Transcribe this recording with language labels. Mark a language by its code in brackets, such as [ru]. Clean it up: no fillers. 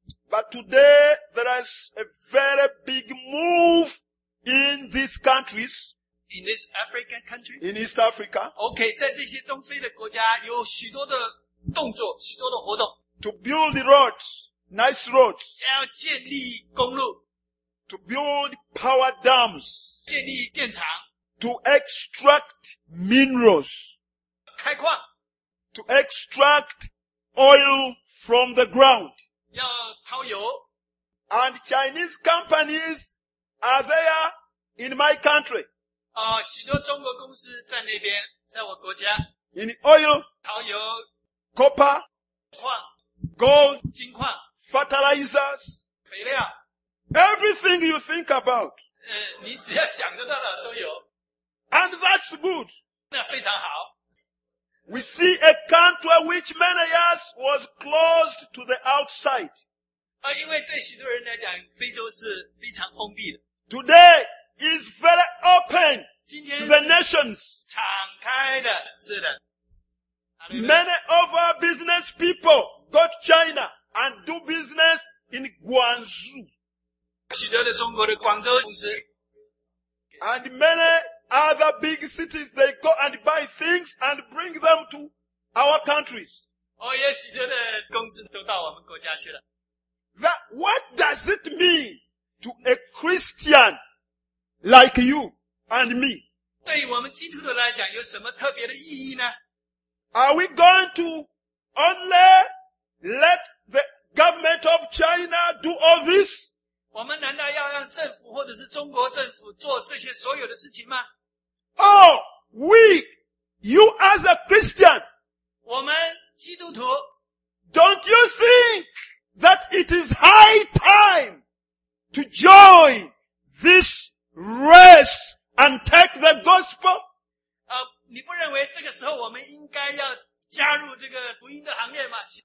[en] but today there is a very big move in these countries. In this African country? In East Africa. [zh] Okay, 在这些东非的国家有许多的动作，许多的活动. [en] To build the roads, nice roads. [zh] 要建立公路. [en] To build power dams. [zh] 建立电厂. [en] To extract minerals. [zh] 开矿. [en] To extract oil from the ground. [zh] 要掏油. [en] And Chinese companies are there in my country. [zh] 许多中国公司在那边, 在我国家. [en] In oil. [zh] 掏油. [en] Copper. [zh] 矿. [en] Gold, [zh] 金矿, [en] fertilizers, [zh] 肥料, [en] everything you think about. [zh] 你只要想得到的都有. [en] And that's good. [zh] 那非常好. [en] We see a country which many years was closed to the outside. [zh] 因为对许多人来讲,非洲是非常封闭的. [en] Today is very open to the nations. [zh] 敞开的, 是的. [en] Many of our business people go to China and do business in Guangzhou. [zh] 许多的中国的广州公司, [en] and many other big cities, they go and buy things and bring them to our countries. Oh, yes, [zh] 许多的公司都到我们国家去了. [en] That, what does it mean to a Christian like you and me? [zh] 对于我们基督徒来讲,有什么特别的意义呢? [en] Are we going to only let the government of China do all this? [zh] 我们难道要让政府或者是中国政府做这些所有的事情吗? [en] Oh, we, you as a Christian, [zh] 我们基督徒, [en] don't you think that it is high time to join this race and take the gospel? [zh] 你不认为这个时候我们应该要加入这个福音的行列吗?